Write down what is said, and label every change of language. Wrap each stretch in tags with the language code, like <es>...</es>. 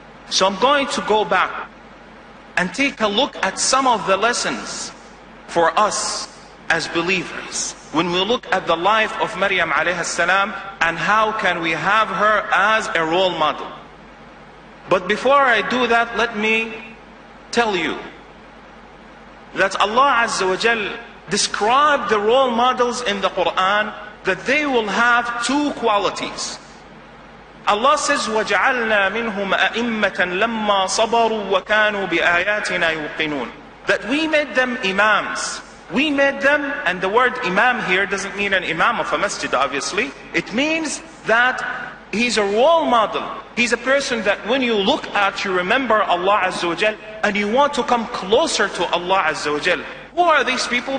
<en>So I'm going to go back and take a look at some of the lessons for us as believers when we look at the life of Maryam alayhi salam and how can we have her as a role model. But before I do that, let me tell you that Allah Azza wa Jal described the role models in the Quran that they will have two qualities. Allah says,</en> <ar>وَجَعَلْنَا مِنْهُمْ أَئِمَّةً لَمَّا صَبَرُوا وَكَانُوا بِآيَاتِنَا يُوقِنُونَ.</ar> <en>That we made them imams. We made them, and the word imam here doesn't mean an imam of a masjid, obviously. It means that he's a role model. He's a person that when you look at, you remember Allah Azza wa Jal, and you want to come closer to Allah Azza wa Jal. Who are these people?</en>